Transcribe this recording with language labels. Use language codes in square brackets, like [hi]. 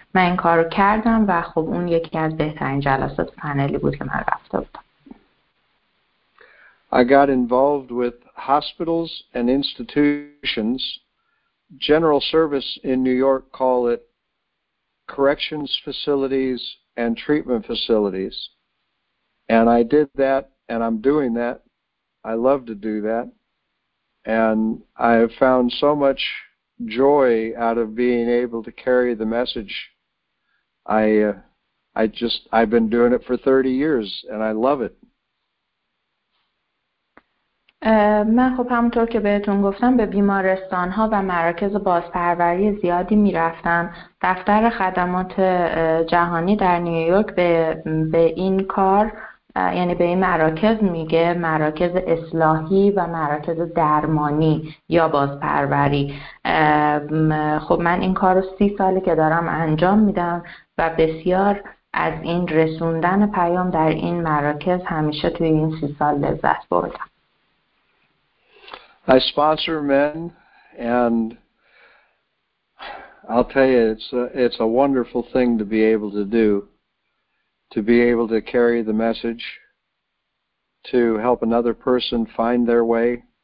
[fa] من این کار رو کردم و خب اون یکی از بهترین جلسات پنلی بود که من رفته بودم. [en] I got involved with hospitals and institutions. General service in New York call it corrections facilities and treatment facilities. And I did that, and I'm doing that. I love to do that. And I have found so much joy out of being able to carry the message. I've been doing it for 30 years, and I love it. [fa] من خب همونطور که بهتون گفتم به بیمارستان‌ها و مراکز بازپروری زیادی می‌رفتم. دفتر خدمات جهانی در نیویورک به این کار یعنی به این مراکز میگه مراکز اصلاحی و مراکز درمانی یا بازپروری. خب من این کار رو 30 سالی که دارم انجام میدم و بسیار از این رسوندن پیام در این مراکز همیشه توی این 30 سال لذت بردم. [en] I sponsor men, and I'll tell you, it's a wonderful thing to be able to do, to be able to carry the message, to help another person find their way.